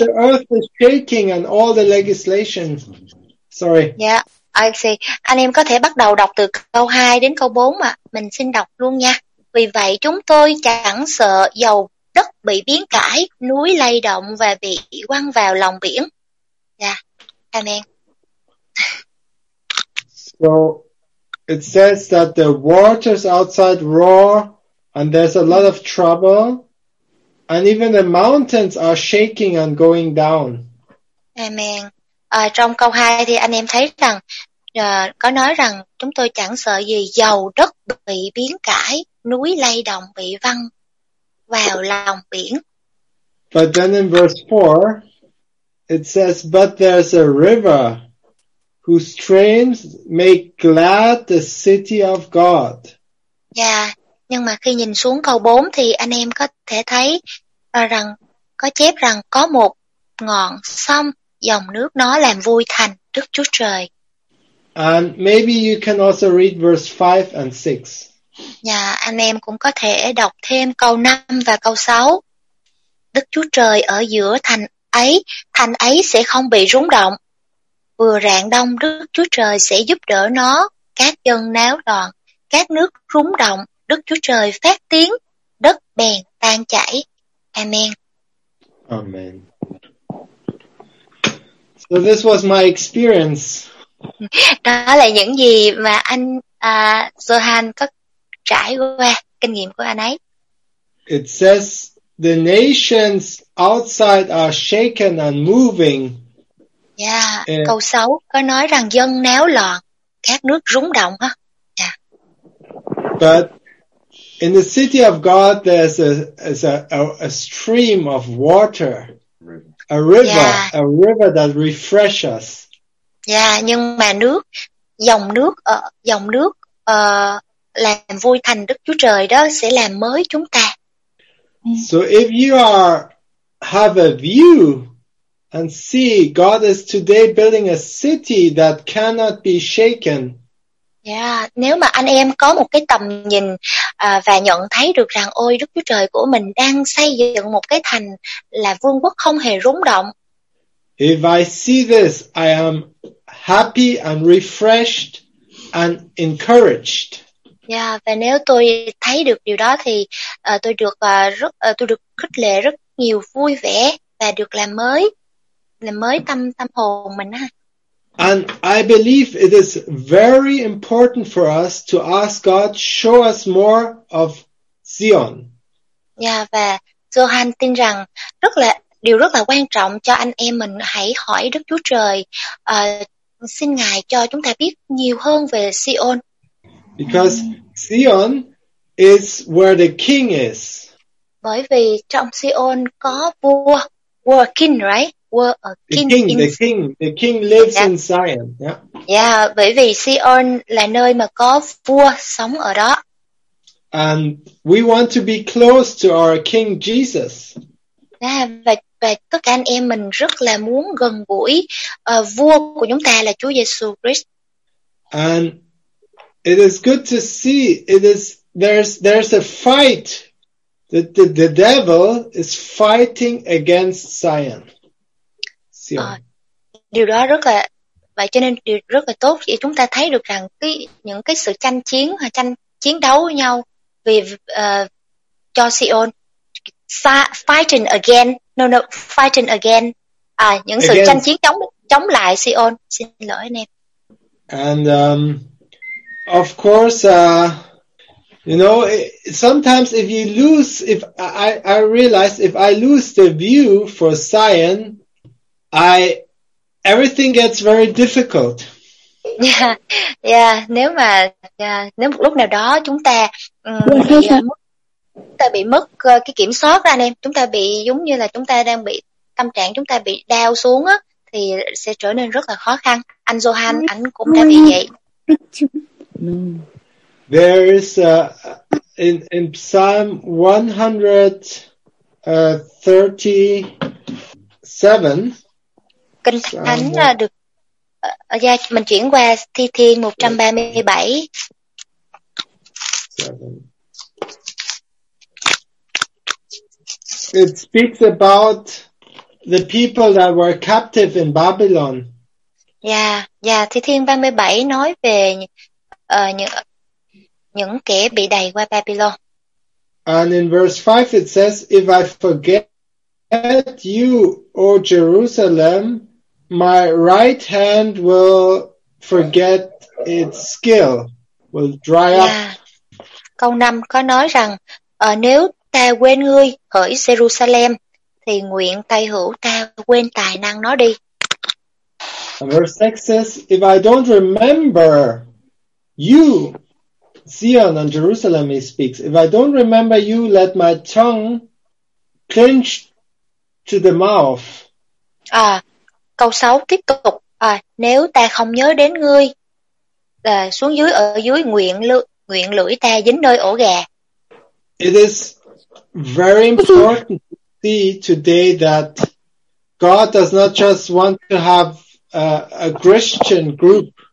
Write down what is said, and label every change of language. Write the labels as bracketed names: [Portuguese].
[English] The earth is shaking and all the legislation. Sorry. Yeah, I see. [Vietnamese] Anh em có thể bắt đầu đọc từ câu 2 đến câu 4 ạ. Mình xin đọc luôn nha. Vì vậy chúng tôi chẳng sợ dầu đất bị biến cải, núi lay động và bị quăng vào lòng biển. [English] Yeah. Amen. So it says that the waters outside roar and there's a lot of trouble. And even the mountains are shaking and going down. Amen. [Vietnamese] Trong câu 2 thì anh em thấy rằng có nói rằng chúng tôi chẳng sợ gì dầu đất bị biến cải, núi lay động bị văng vào lòng biển. [English] But then in verse 4, it says, but there's a river whose streams make glad the city of God. Yeah. [Vietnamese] Nhưng mà khi nhìn xuống câu 4 thì anh em có thể thấy rằng có chép rằng có một ngọn sông, dòng nước nó làm vui thành Đức Chúa Trời. [English] And maybe you can also read verse 5 and 6. [Vietnamese] Yeah, anh em cũng có thể đọc thêm câu 5 và câu 6. Đức Chúa Trời ở giữa thành ấy sẽ không bị rúng động. Vừa rạng đông Đức Chúa Trời sẽ giúp đỡ nó, các dân náo loạn, các nước rúng động. Đức Chúa Trời phát tiếng, đất bèn tan chảy. [English] Amen. Amen. So this was my experience. [Vietnamese] Đó là những gì mà anh Johan có trải qua, kinh nghiệm của anh ấy. [English] It says the nations outside are shaken and moving. [Vietnamese] Yeah, câu 6 có nói rằng dân náo loạn. các nước rúng động ha. Yeah. [English] But in the city of God there's a stream of water. A river that refreshes us. [Vietnamese] Yeah, nhưng mà nước, dòng nước làm vui thành Đức Chúa Trời đó sẽ làm mới chúng ta. [English] So if you are have a view and see God is today building a city that cannot be shaken. [Vietnamese] Yeah, nếu mà anh em có một cái tầm nhìn và nhận thấy được rằng ôi Đức Chúa Trời của mình đang xây dựng một cái thành là vương quốc không hề rúng động. [English] If I see this, I am happy and refreshed and encouraged. [Vietnamese] Yeah, và nếu tôi thấy được điều đó thì tôi được khích lệ rất nhiều, vui vẻ và được làm mới tâm hồn mình á. [English] And I believe it is very important for us to ask God, show us more of Zion. [Vietnamese] Yeah, và Johan tin rằng điều rất là quan trọng cho anh em mình hãy hỏi Đức Chúa Trời, xin Ngài cho chúng ta biết nhiều hơn về Zion. [English] Because Zion is where the king is. [Vietnamese] Bởi vì trong Zion có vua, [English] were king, right? Were a king. The king lives in Zion. Yeah. [Vietnamese] Yeah, bởi vì Zion là nơi mà có vua sống ở đó. [English] And we want to be close to our King Jesus. [Vietnamese] Yeah, và tất cả anh em mình rất là muốn gần gũi vua của chúng ta là Chúa Giêsu Christ. [English] And it is good to see there's a fight. The devil is fighting against Zion. [Vietnamese] Điều đó rất là, và cho nên điều rất là tốt khi chúng ta thấy được rằng những cái sự tranh chiến đấu với nhau vì cho Zion. [English] Fighting against [Vietnamese] tranh chiến chống lại Zion. Xin lỗi anh em. [English] And of course, you know, sometimes if I lose the view for Zion, everything gets very difficult. [Vietnamese] Nếu một lúc nào đó chúng ta bị mất cái kiểm soát ra anh em, chúng ta bị giống như là chúng ta đang bị tâm trạng chúng ta bị đau xuống á, thì sẽ trở nên rất là khó khăn. Anh Johan anh cũng đã bị vậy. [English] There is in Psalm 137. [Vietnamese] Kinh Thánh được mình chuyển qua Thi Thiên 137. [English] It speaks about the people that were captive in Babylon. [Vietnamese] Thi Thiên 37 nói về những kẻ bị đày qua Babylon. [English] And in verse 5 it says, if I forget you, O Jerusalem, my right hand will forget its skill, will dry up. [Vietnamese] Câu 5 có nói rằng, nếu ta quên ngươi, hỡi Jerusalem, thì nguyện tay hữu ta quên tài năng nó đi. [English] And verse 6 says, if I don't remember you, Zion and Jerusalem, he speaks, if I don't remember you, let my tongue cling to the mouth. [Vietnamese] Câu 6 tiếp tục. Nếu ta không nhớ đến ngươi, xuống dưới ở dưới nguyện lưỡi ta dính nơi ổ gà. [English] It is very important to see today that God does not just want to have a Christian group.